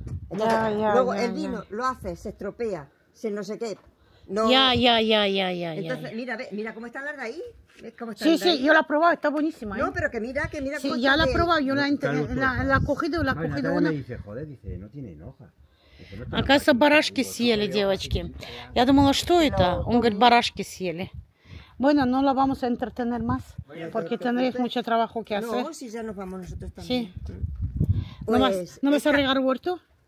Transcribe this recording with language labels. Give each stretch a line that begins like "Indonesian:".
Spanish: Luego el vino lo hace, se estropea, se no sé qué. Ya. Entonces, mira cómo están las de ahí. Sí, yo la he probado, está buenísima. No, pero que mira sí, cómo ya la he probado, yo la he cogido una. Dice, no tiene hoja.
Russian: Оказывается, барашки съели, девочки. Я думала, что это? Он говорит, барашки съели.
Spanish: Bueno, no la vamos a entretener más, porque tendréis mucho trabajo que hacer. No, si ya nos vamos nosotros también. Sí. ¿No, pues, ¿no vas a regar huerto?